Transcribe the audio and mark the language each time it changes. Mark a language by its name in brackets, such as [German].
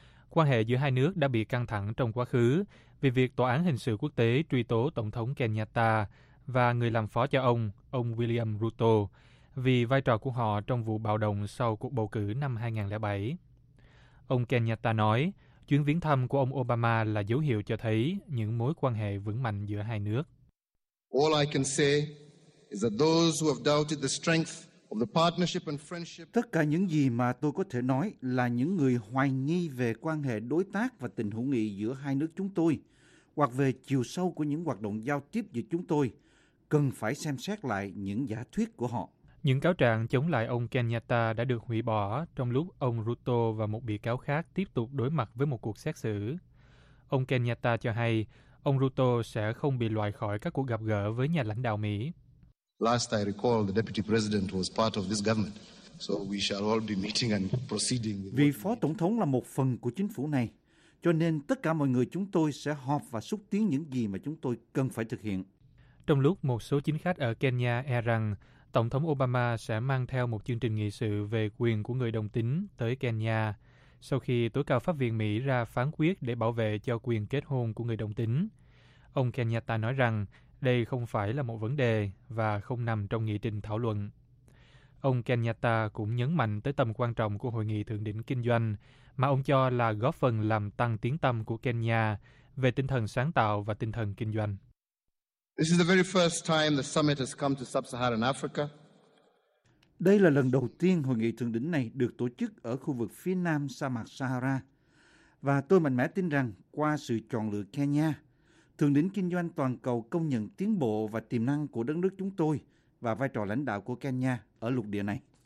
[Vietnamese] Quan hệ giữa hai nước đã bị căng thẳng trong quá khứ vì việc Tòa án Hình sự Quốc tế truy tố Tổng thống Kenyatta và người làm phó cho ông William Ruto, vì vai trò của họ trong vụ bạo động sau cuộc bầu cử năm 2007. Ông Kenyatta nói, chuyến viếng thăm của ông Obama là dấu hiệu cho thấy những mối quan hệ vững mạnh giữa hai nước. [English] All I can say is that those who have doubted the strength of the partnership and friendship. [Vietnamese] Tất cả những gì mà tôi có thể nói là những người hoài nghi về quan hệ đối tác và tình hữu nghị giữa hai nước chúng tôi, hoặc về chiều sâu của những hoạt động giao tiếp giữa chúng tôi, cần phải xem xét lại những giả thuyết của họ. Những cáo trạng chống lại ông Kenyatta đã được hủy bỏ trong lúc ông Ruto và một bị cáo khác tiếp tục đối mặt với một cuộc xét xử. Ông Kenyatta cho hay ông Ruto sẽ không bị loại khỏi các cuộc gặp gỡ với nhà lãnh đạo Mỹ. [English] Last I recall, the deputy president was part of this government, so we shall all be meeting and proceeding. [Vietnamese] Vì phó tổng thống là một phần của chính phủ này, cho nên tất cả mọi người chúng tôi sẽ họp và xúc tiến những gì mà chúng tôi cần phải thực hiện. Trong lúc một số chính khách ở Kenya e rằng Tổng thống Obama sẽ mang theo một chương trình nghị sự về quyền của người đồng tính tới Kenya, sau khi tối cao Pháp viện Mỹ ra phán quyết để bảo vệ cho quyền kết hôn của người đồng tính. Ông Kenyatta nói rằng đây không phải là một vấn đề và không nằm trong nghị trình thảo luận. ông Kenyatta cũng nhấn mạnh tới tầm quan trọng của hội nghị thượng đỉnh kinh doanh mà ông cho là góp phần làm tăng tiếng tăm của Kenya về tinh thần sáng tạo và tinh thần kinh doanh. [English] This is the very first time the summit has come to sub-Saharan Africa. [Vietnamese] Đây là lần đầu tiên hội nghị thượng đỉnh này được tổ chức ở khu vực phía nam sa mạc Sahara. Và tôi mạnh mẽ tin rằng qua sự chọn lựa Kenya, thượng đỉnh kinh doanh toàn cầu công nhận tiến bộ và tiềm năng của đất nước chúng tôi và vai trò lãnh đạo của Kenya ở lục địa này.